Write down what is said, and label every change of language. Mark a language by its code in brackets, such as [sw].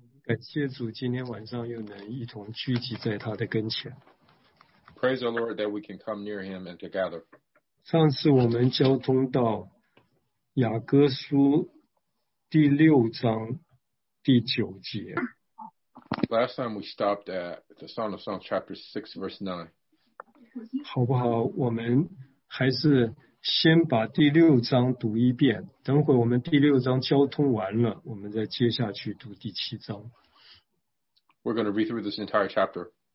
[zh] 感谢主，今天晚上又能一同聚集在他的跟前。 [en] Praise the Lord that we can come near him and together. [zh] 上次我们交通到雅各书第六章第九节。 [en] Last time we stopped at the Song of Songs chapter 6 verse 9. [zh] 好不好，我们还是先把第六章读一遍，等会我们第六章交通完了，我们再接下去读第七章。 [en] We're going to read through this entire chapter.